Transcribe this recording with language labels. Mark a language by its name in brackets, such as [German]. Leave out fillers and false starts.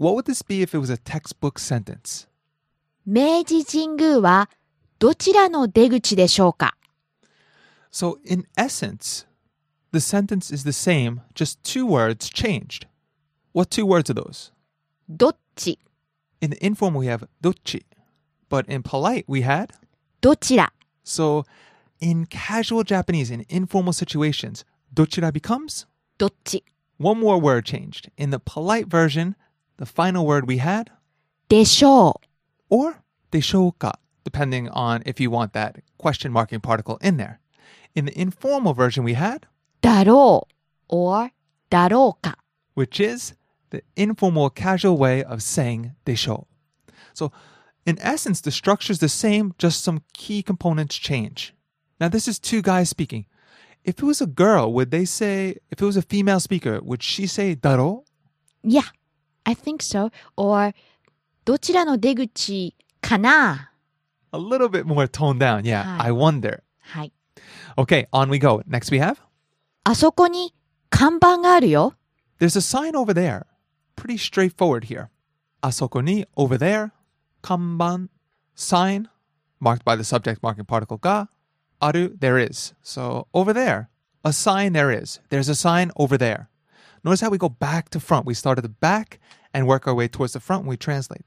[English] What would this be if it was a textbook sentence? [Japanese] 明治神宮はどちらの出口でしょうか? [English] So, in essence, the sentence is the same, just two words changed. What two words are those? [Japanese] どっち? [English] In the informal, we have どっち。But in polite, we had? [Japanese] どちら。 [English] So, in casual Japanese, in informal situations, どちら becomes? [Japanese] どっち。 [English] One more word changed. In the polite version, the final word we had? [Japanese] でしょう。 [English] Or, でしょうか、depending on if you want that question marking particle in there. In the informal version, we had? [Japanese] だろう。Or, だろうか。 [English] Which is the informal casual way of saying でしょう。 So,In essence, the structure is the same, just some key components change. Now, this is two guys speaking. If it was a girl, would they say, if it was a female speaker, would she say, だろう? Yeah, I think so. [Japanese] Or, どちらの出口かな? [English] A little bit more toned down, yeah. はい。I wonder. [Japanese] はい。 [English] Okay, on we go. Next we have? [Japanese] あそこに看板があるよ。 [English] There's a sign over there. Pretty straightforward here. [Japanese] あそこに [English] over there. Kanban, sign, marked by the subject marking particle ga, aru, there is. So over there, a sign there is. There's a sign over there. Notice how we go back to front. We start at the back and work our way towards the front when we translate.